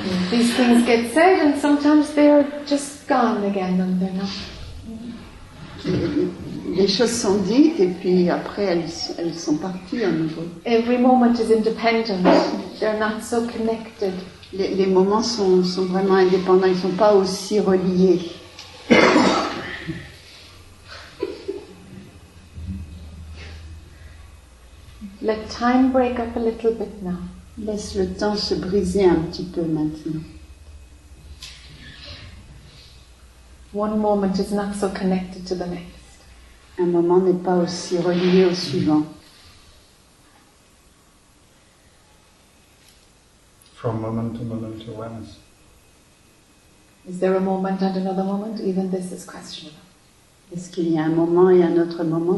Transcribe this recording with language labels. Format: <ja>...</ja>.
<en>These things get said, and sometimes they're just gone again, and they're not.</en> <fr>Les choses sont dites et puis après elles sont parties à nouveau.</fr> <en>Every moment is independent. They're not so connected.</en> <fr>Les moments sont vraiment indépendants. Ils ne sont pas aussi reliés.</fr> <en>Let time break up a little bit now.</en> <fr>Laisse le temps se briser un petit peu maintenant.</fr> <en>One moment is not so connected to the next.</en> <fr>Un moment n'est pas aussi relié au suivant.</fr> <en>From moment to awareness. Is there a moment and another moment? Even this is questionable.</en> <fr>Est-ce qu'il y a un moment et un autre moment?</fr>